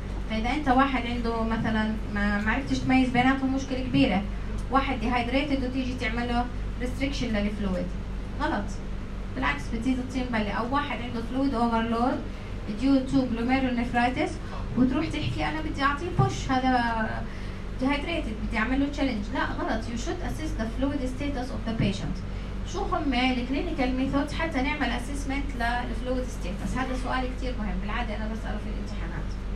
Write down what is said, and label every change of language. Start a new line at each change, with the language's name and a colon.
Arabic: فإذا أنت واحد عنده مثلا ما عرفتش تميز بيناتهم مشكلة كبيرة واحد dehydrated وتيجي تعمله restriction للفلويد غلط بالعكس بتزيد الطين بلي. أو واحد عنده
English: fluid overload due to glomerulonephritis
Arabic: وتروح تحكي انا بدي اعطيه بوش هذا dehydrated بدي اعمل له تشالنج. لا غلط.
English: you should assess the fluid status of the patient.
Arabic: شو هم الكلينيكال ميثودز حتى نعمل assessment للفلويد status؟ هذا سؤال كتير مهم بالعاده انا بساله في الامتحانات.